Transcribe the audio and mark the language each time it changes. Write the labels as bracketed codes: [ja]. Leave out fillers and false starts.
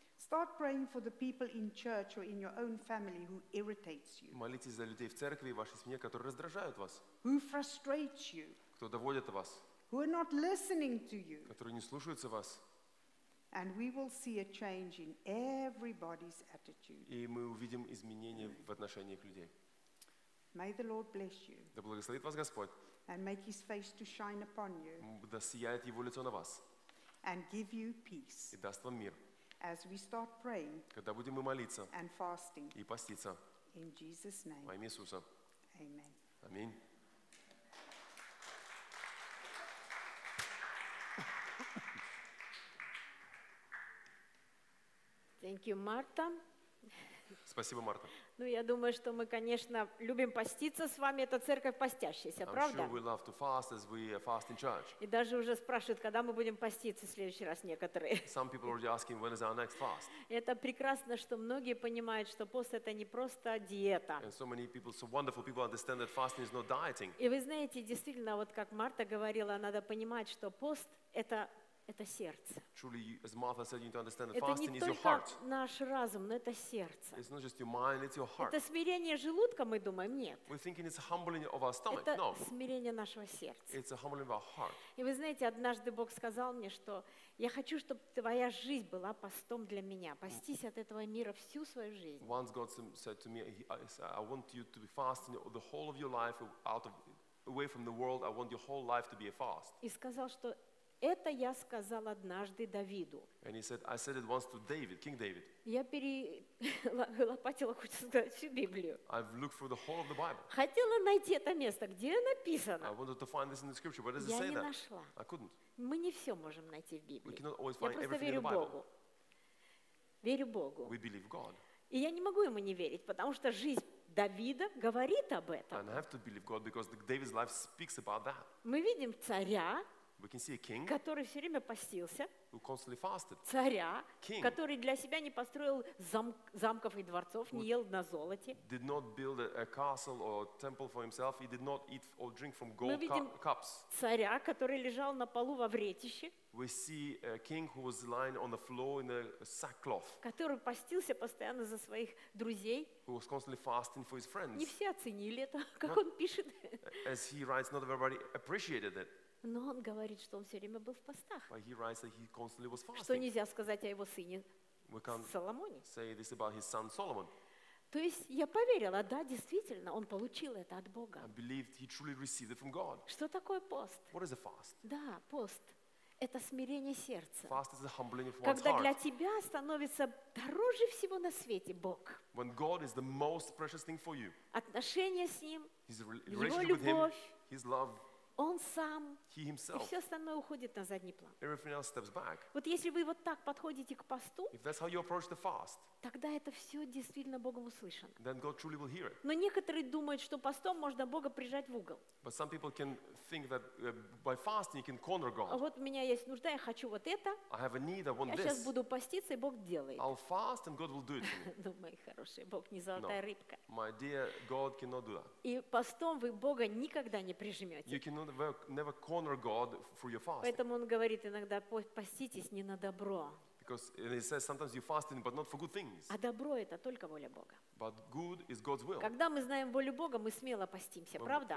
[en] Start praying for the people in church or in your own family who irritates you. [ru] Молитесь за людей в церкви и вашей семье, которые раздражают вас. [en] Who frustrates you? [ru] Кто доводит вас? [en] Who are not listening to you? [ru] Которые не слушаются вас. [en] And we will see a change in everybody's attitude. [ru] И мы увидим изменения в отношениях людей. [en] May the Lord bless you. [ru] Да благословит вас Господь. [en] And make His face to shine upon you. [ru] Да сияет Его лицо на вас. [en] And give you peace. [ru] И даст вам мир. [en] As we start praying, [ru] когда будем мы молиться [en] and fasting, [ru] и поститься, [en] in Jesus' name, [ru] во имя Иисуса, [en] Amen. Amen. Thank you, Marta. [ru] Спасибо, Марта. Ну, я думаю, что мы, конечно, любим поститься с вами. Это церковь постящаяся, правда? [en] I'm sure we love to fast as we fast in church. [ru] И даже уже спрашивают, когда мы будем поститься в следующий раз некоторые. [en] Some people are already asking, when is our next fast? [ru] Это прекрасно, что многие понимают, что пост — это не просто диета. [en] And so many people, so wonderful people understand that fasting is not dieting. [ru] И вы знаете, действительно, вот как Марта говорила, надо понимать, что пост — это сердце. [en] Truly, as Martha said, you need to understand that [ru] это [en] fasting is your heart. [ru] Это не только наш разум, но это сердце. [en] It's not just your mind, it's your heart. [ru] Это смирение желудка, мы думаем, нет. [en] We're thinking it's humbling of our stomach. [ru] Это [en] no. [ru] Смирение нашего сердца. [en] It's a humbling of our heart. [ru] И вы знаете, однажды Бог сказал мне, что я хочу, чтобы твоя жизнь была постом для меня. Постись от этого мира всю свою жизнь. [en] Once God said to me, I want you to be fasting the whole of your life out of away from the world. I want your whole life to be a fast. [ru] И сказал, что это я сказал однажды Давиду. [en] And he said, I said it once to David, King David. [ru] Я перелопатила, хочу сказать, всю Библию. [en] I've looked through the whole of the Bible. [ru] Хотела найти это место, где написано. [en] I wanted to find this in the scripture, but it doesn't say that. [ru] Я не нашла. [en] I couldn't. [ru] Мы не все можем найти в Библии. [en] We cannot always find everything in the Bible. [ru] Я просто верю Богу. Верю Богу. [en] We believe God. [ru] И я не могу ему не верить, потому что жизнь Давида говорит об этом. [en] And I have to believe God because David's life speaks about that. [ru] Мы видим царя. [en] We can see a king, [ru] который все время постился, [en] who constantly fasted, [ru] царя, [en] king, [ru] который для себя не построил замков и дворцов, не ел на золоте. [en] Did not build a castle or a temple for himself. He did not eat or drink from gold cups. [ru] Царя, который лежал на полу во вретище. [en] We see a king who was lying on the floor in a sackcloth. [ru] Который постился постоянно за своих друзей. [en] Who was constantly fasting for his friends. [ru] Не все оценили это, как он пишет. [en] As he writes, not everybody appreciated it. [ru] Но он говорит, что он все время был в постах. [en] But he writes that he constantly was fasting. [ru] Что нельзя сказать о его сыне Соломоне. [en] Say this about his son Solomon. [ru] То есть я поверила, да, действительно, он получил это от Бога. [en] I believed he truly received it from God. [ru] Что такое пост? [en] What is a fast? [ru] Да, пост. Это смирение сердца. [en] Fast is the humbling of one's [ru] когда [en] heart. [ru] Для тебя становится дороже всего на свете Бог. [en] When God is the most precious thing for you. [ru] Отношения с Ним, [en] his [ru] Его любовь, [en] him, His love. [ru] Он сам, [en] he himself, [ru] и все остальное уходит на задний план. [en] Everything else steps back. [ru] Вот если вы вот так подходите к посту, [en] if that's how you approach the fast, [ru] тогда это все действительно Богом услышано. [en] Then God truly will hear it. [ru] Но некоторые думают, что постом можно Бога прижать в угол. [en] But some people can think that by fasting you can corner God. [ru] А вот у меня есть нужда, я хочу вот это. [en] I have a need, I want this. [ru] Я сейчас буду поститься, и Бог делает. [en] I'll fast and God will do it for me. [ru] Ну, мои хорошие, Бог не золотая рыбка. [en] My dear, God cannot do that. [ru] И постом вы Бога никогда не прижмете. [en] You cannot never corner God through your fasting. [ru] Поэтому он говорит иногда, поститесь не на добро. [en] Because he says sometimes you're fasting, but not for good things. [ru] А добро это только воля Бога. [en] But good is God's will. [ru] Когда мы знаем волю Бога, мы смело постимся, правда?